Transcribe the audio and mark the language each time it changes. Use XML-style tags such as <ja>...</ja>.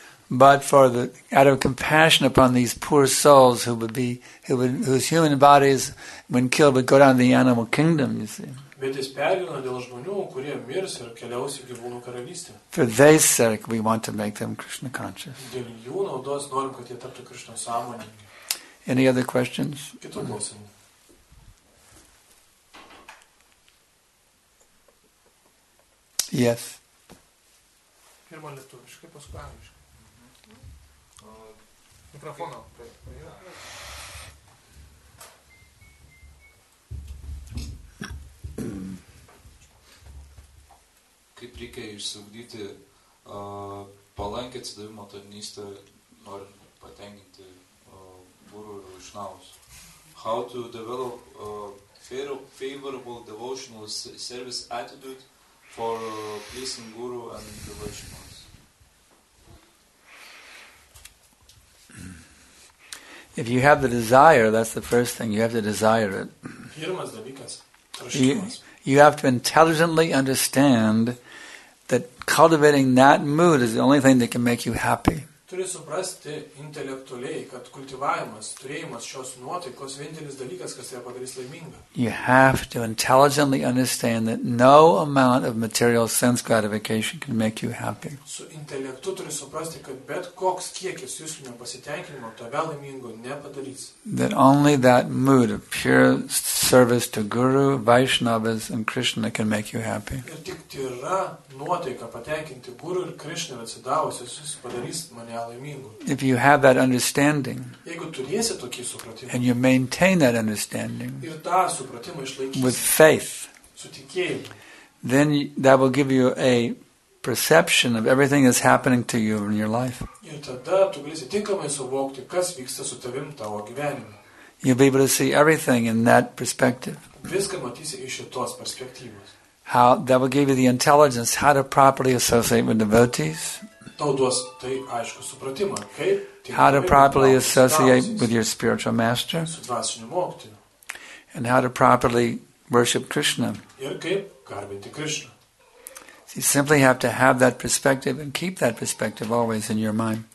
<en>But for the out of compassion upon these poor souls who would be whose human bodies, when killed, would go down to the animal kingdom, you see.</en> <lt>Bet jis pergyvena dėl žmonių, kurie mirs ir keliaus į gyvūnų karalystę.</lt> <en>For their sake, we want to make them Krishna conscious.</en> <lt>Dėl jų naudos norim, kad jie taptų Krishna sąmoningi.</lt> <en>Any other questions?</en> <lt>Kitų klausimų.</lt> <en>Yes.</en> <lt>Pirma lietuviškai, paskui angliškai. Mikrofono. Kaip reikia išsiugdyti palankę atsidavimo tarnystę, norint patenkinti guru ir vaišnavus.</lt> <en>How to develop favorable devotional service attitude for pleasing guru and the vaishnavas. If you have the desire, that's the first thing, you have to desire it.</en> <lt>Pirmas dalykas.</lt> <en>You have to intelligently understand that cultivating that mood is the only thing that can make you happy.</en> <lt>Turi suprasti intelektualiai, kad kultivavimas, turėjimas šios nuotaikos vienintelis dalykas, kas ją padarys laimingą.</lt> <en>You have to intelligently understand that no amount of material sense gratification can make you happy.</en> <lt>Su intelektu turi suprasti, kad bet koks kiekis jūsų nepasitenkinimo tave laimingo nepadarys.</lt> <en>That only that mood of pure service to guru, vaishnavas and krishna can make you happy.</en> <lt>Ir tik tyra nuotaika patenkinti guru ir krishna atsidavusius jūs padarys.</lt> <en>If you have that understanding,</en> <lt>jeigu turėsi tokį supratimą,</lt> <en>and you maintain that understanding</en> <lt>ir tą supratimą išlaikysi,</lt> <en>with faith,</en> <lt>su tikėjimu,</lt> <en>then that will give you a perception of everything that's happening to you in your life.</en> <lt>Ir tada tu galėsi tinkamai suvokti, kas vyksta su tavim tavo gyvenime.</lt> <en>You'll be able to see everything in that perspective.</en> <lt>Viską matysi iš šitos perspektyvos.</lt> <en>How that will give you the intelligence how to properly associate with devotees.</en> <lt>Tau duos tai aiškų supratimą, kaip</lt> <en>how to properly associate with your spiritual master.</en> <lt>Su dvasiniu mokytoju.</lt> <en>And how to properly worship Krishna.</en> <lt>Ir kaip garbinti Krishna.</lt> <en>So you simply have to have that perspective and keep that perspective always in your mind.</en>